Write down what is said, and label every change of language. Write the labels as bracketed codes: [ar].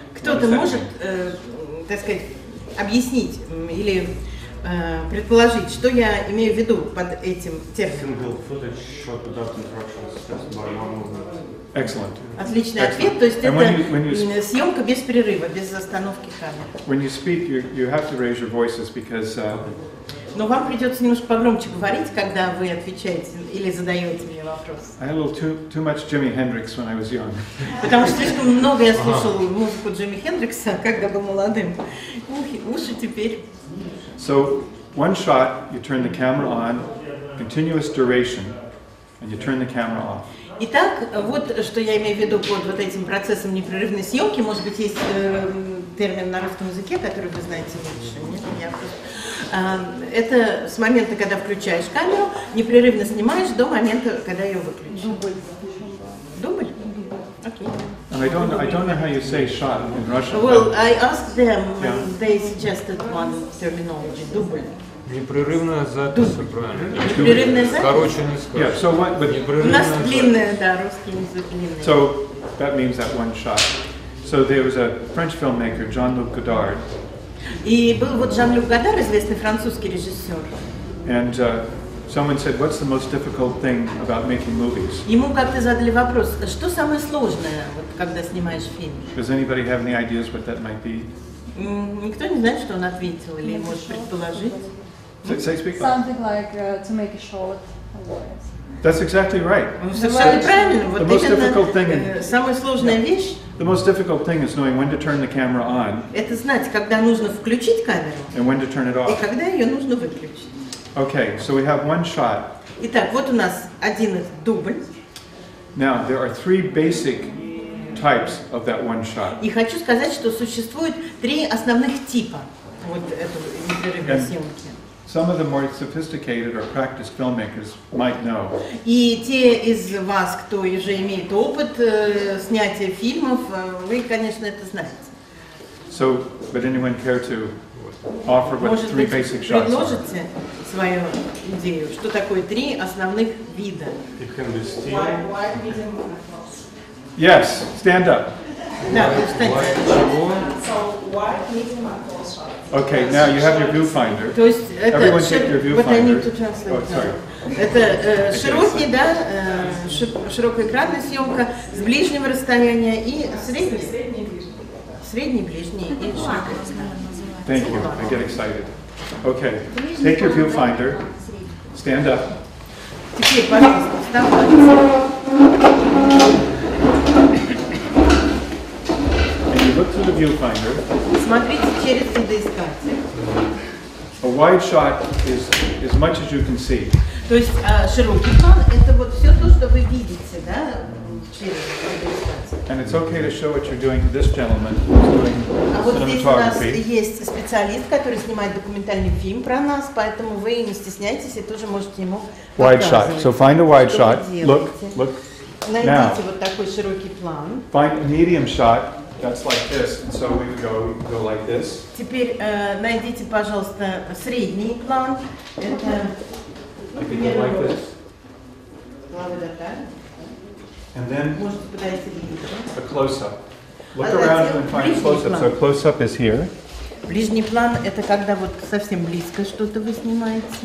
[ru] Кто-то может, так сказать, объяснить или предположить, что я имею в виду под этим термином? [en] Single footage shot without interruptions, just by one movement. Excellent. [ru] Отличный ответ, то есть это съемка без перерыва, без остановки камеры. [en] When you speak, you have to raise your voices because... [ru] Но вам придется немножко погромче говорить, когда вы отвечаете или задаете мне вопрос. [en] I had a little too much Jimi Hendrix when I was young. [ru] Потому что слишком много я слушал музыку Джимми Хендрикса, когда был молодым. Уши теперь. [en] So, one shot, you turn the camera on, continuous duration, and you turn the camera off. [ru] Итак, вот что я имею в виду под вот этим процессом непрерывной съемки. Может быть, есть термин на русском языке, который вы знаете лучше. Нет, я просто... Это с момента, когда включаешь камеру, непрерывно снимаешь до момента, когда ее выключишь. Дубль. Дубль? Окей. [en] And I don't know how you say shot in Russian. Well, I asked them, yeah. They suggested one terminology, [ru] дубль. Непрерывная запись, правильно? Непрерывная запись? Короче, не скажешь. [en] Yeah, so what, but [ru] у нас длинная, да, русский язык длинный. [en] So, that means that one shot. So there was a French filmmaker, Jean-Luc Godard. [ru] И был вот Жан-Люк Годар, известный французский режиссер. [en] And someone said, what's the most difficult thing about making movies? [ru] Ему как-то задали вопрос, что самое сложное, вот, когда снимаешь фильм? [en] Does anybody have any ideas what that might be? [ru] Никто не знает, что он ответил, или может предположить. [en] Something like to make a short voice. That's exactly right. The most difficult thing. [ru] Самая сложная вещь. [en] The most difficult thing is knowing when to turn the camera on. [ru] Это знать, когда нужно включить камеру. [en] And when to turn it off. [ru] И когда ее нужно выключить. [en] Okay, so we have one shot. [ru] Итак, вот у нас один дубль. [en] Now there are three basic types of that one shot. [ru] И хочу сказать, что существует три основных типа вот этой непрерывной съемки. [en] Some of the more sophisticated or practiced filmmakers might know. [ru] И те из вас, кто уже имеет опыт снятия фильмов, вы, конечно, это знаете. [en] So, would anyone care to offer what three basic shots are? [ru] Может быть, предложите свою идею, что такое три основных вида? [en] It can be still. Wide medium close. Yes, stand up. [ru] Да, встаньте. [en] So, wide medium and close shots. Okay, now you have your viewfinder. [ru] То есть это [en] everyone take your viewfinder. I need to translate. Oh, sorry. [ru] Это широкий, да, широкоэкранная съемка с ближнего расстояния и средний, ближний и широкоэкранный. [en] Thank you. I get excited. Okay, take your viewfinder. Stand up. [ru] Теперь, пожалуйста, вставайте. [en] And you look through the viewfinder. [ru] Смотрите через видоискатель. [en] A wide shot is as much as you can see. [ru] То есть широкий план – это вот все то, что вы видите, да, через видоискатель. [en] And it's okay to show what you're doing to this gentleman who's doing cinematography. [ru] А вот здесь у нас есть специалист, который снимает документальный фильм про нас, поэтому вы не стесняйтесь и тоже можете ему показывать. [en] Wide shot. So find a wide shot. Look, look. [ru] Найдите [en] now. [ru] Вот такой широкий план. [en] Find a medium shot. That's like this, and so we go like this. [ru] Теперь найдите, пожалуйста, средний план. Это, например, [en] like this. And then a close-up. Look around and find a close-up. So a close-up is here. [ru] Ближний план – это когда вот совсем близко что-то вы снимаете.